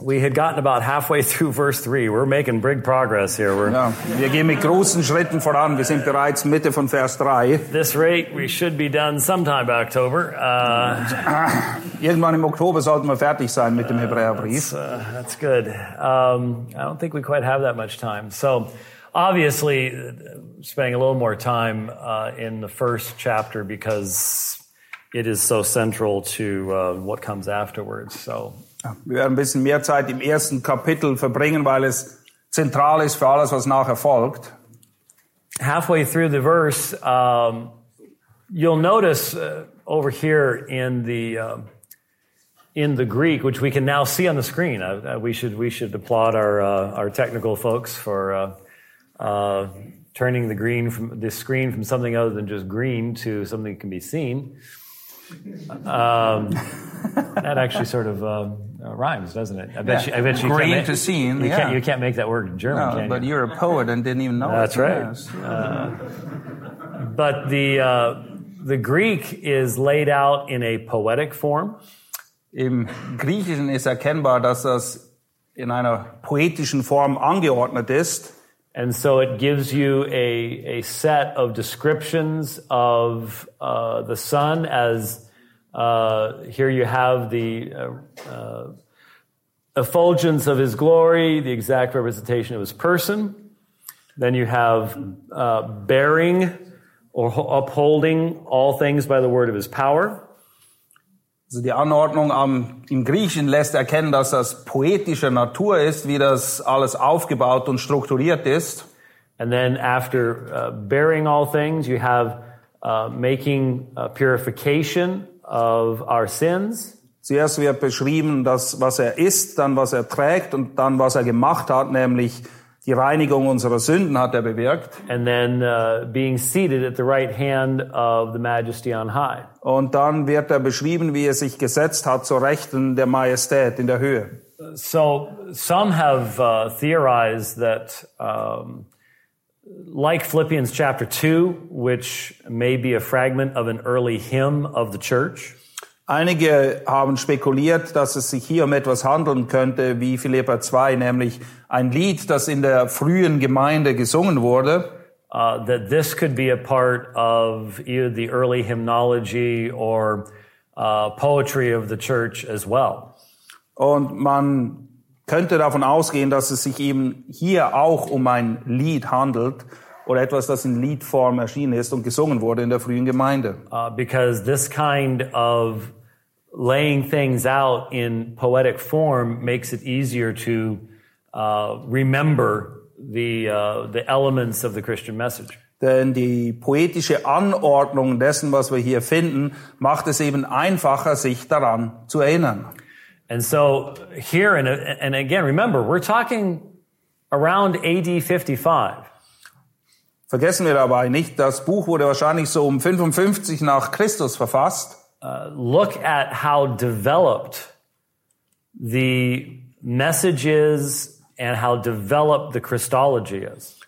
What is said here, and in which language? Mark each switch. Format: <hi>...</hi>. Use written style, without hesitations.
<en>Gotten about halfway through verse 3. We're making big progress here.</en> <de>Wir gehen mit großen Schritten voran. Wir sind bereits Mitte von Vers 3.</de> <en>This rate, we should be done sometime by October.</en> <de>Irgendwann im Oktober sollten wir fertig sein mit dem Hebräerbrief.</de> <en>That's good. I don't think we quite have that much time. So, obviously, spending a little more time in the first chapter because it is so central to what comes afterwards. So,</en> <de>wir werden ein bisschen mehr Zeit im ersten Kapitel verbringen, weil es zentral ist für alles, was nachher folgt.</de> <en>Halfway through the verse, you'll notice over here in the Greek, which we can now see on the screen. We should applaud our technical folks for turning the screen from something other than just green to something that can be seen. That actually sort of rhymes, doesn't it? I bet you. Great can't to see. You, yeah. You can't make that word in German. No, can but you? You're a poet and didn't even know. That's it, right. Yes. But the Greek is laid out in a poetic form.</en> <de>Im Griechischen ist erkennbar, dass das in einer poetischen Form angeordnet ist.</de> <en>And so it gives you a set of descriptions of the sun as here you have the effulgence of his glory, the exact representation of his person. Then you have bearing or upholding all things by the word of his power.</en> <de>Also die Anordnung im Griechischen lässt erkennen, dass das poetischer Natur ist, wie das alles aufgebaut und strukturiert ist.</de> <en>And then after bearing all things, you have making a purification of our sins.</en> <de>Zuerst wird beschrieben, das, was er ist, dann was er trägt und dann was er gemacht hat, nämlich die Reinigung unserer Sünden hat er bewirkt.</de> <en>And then being seated at the right hand of the Majesty on high.</en> <de>Und dann wird er beschrieben, wie er sich gesetzt hat zur Rechten der Majestät in der Höhe.</de> <en>So some have theorized that like Philippians chapter 2, which may be a fragment of an early hymn of the church.</en> <de>Einige haben spekuliert, dass es sich hier um etwas handeln könnte wie Philipper 2, nämlich ein Lied, das in der frühen Gemeinde gesungen wurde.</de> <en>That this could be a part of either the early hymnology or poetry of the church as well.</en> <de>Und man könnte davon ausgehen, dass es sich eben hier auch um ein Lied handelt oder etwas, das in Liedform erschienen ist und gesungen wurde in der frühen Gemeinde.</de> <en>Because this kind of laying things out in poetic form makes it easier to remember the elements of the Christian message.</en> <de>Denn die poetische Anordnung dessen, was wir hier finden, macht es eben einfacher, sich daran zu erinnern.</de> <en>And so here, and again, remember, we're talking around AD 55.</en> <de>Vergessen wir dabei nicht, das Buch wurde wahrscheinlich so um 55 nach Christus verfasst.</de> <en>Look at how developed the message is and how developed the Christology is.</en>